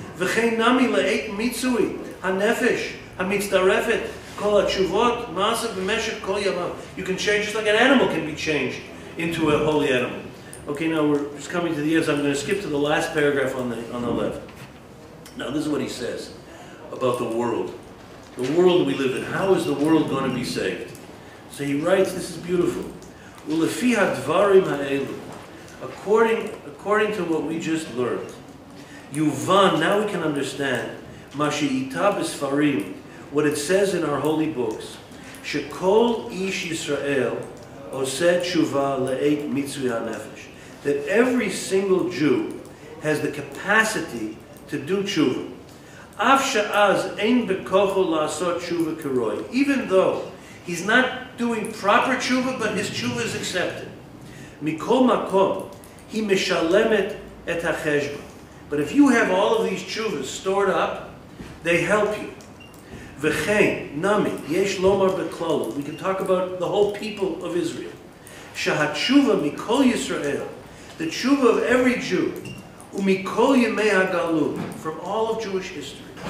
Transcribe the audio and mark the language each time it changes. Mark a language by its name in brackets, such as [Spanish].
[Hebrew] וכן נמי לעת מיצוי, הנפש, המצטרפת, כל התשובות, מעשה במשך כל ימיו. [English] You can change, just like an animal can be changed into a holy animal. Okay, now we're just coming to the end, so I'm going to skip to the last paragraph on the left. Now this is what he says about the world. The world we live in, how is the world going to be saved? So he writes, this is beautiful. [Hebrew] ולפי הדברים האלו, [English] according to what we just learned, [Hebrew] יובן, [English] now we can understand, [Hebrew] מה שאיתה בספרים, [English] what it says in our holy books, [Hebrew] שכל איש ישראל עושה תשובה לעת מיצוי הנפש, [English] that every single Jew has the capacity to do תשובה. [Hebrew] אף שאז אין בכוחו לעשות תשובה כרוי, [English] even though he's not doing proper תשובה, but his תשובה is accepted. [Hebrew] מכל מקום, היא משלמת את החשבון. [English] But if you have all of these תשובות stored up, they help you. [Hebrew] וכן, נמי, יש לומר בכלל, [English] we can talk about the whole people of Israel, [Hebrew] שהתשובה מכל ישראל, [English] the תשובה of every Jew, [Hebrew] ומכל ימי הגלות, [English] from all of Jewish history.